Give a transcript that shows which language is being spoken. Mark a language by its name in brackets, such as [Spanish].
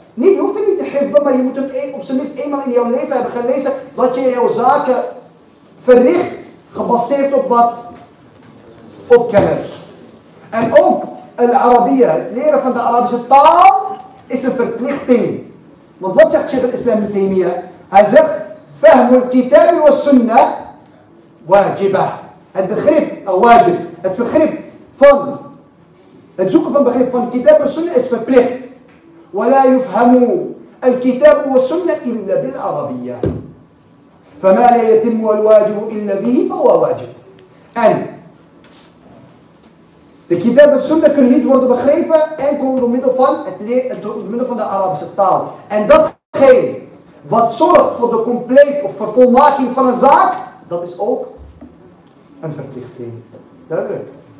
[Dutch] Niet, je hoeft het niet te hifdhen, maar je moet het op zijn minst eenmaal in jouw leven hebben gelezen dat je jouw zaken verricht, gebaseerd op wat? Op kennis. En ook al-Arabiya, het leren van de Arabische taal, is een verplichting. Want wat zegt Sheikh al-Islam ibn Taymiyyah? Hij zegt, [Arabic] فهم الكتاب والسنة واجبة. [Dutch] Het begrip, het zoeken van begrip van kitab en sunnah is verplicht. [Arabic] ولا يفهم الكتاب والسنة إلا بالعربية. فما لا يتم الواجب إلا به فهو واجب. [Dutch] En de kitab en sunnah kunnen niet worden begrepen en komen door middel van de Arabische taal. En datgene wat zorgt voor de compleet of vervolmaking van een zaak, dat is ook een verplichting. Duidelijk.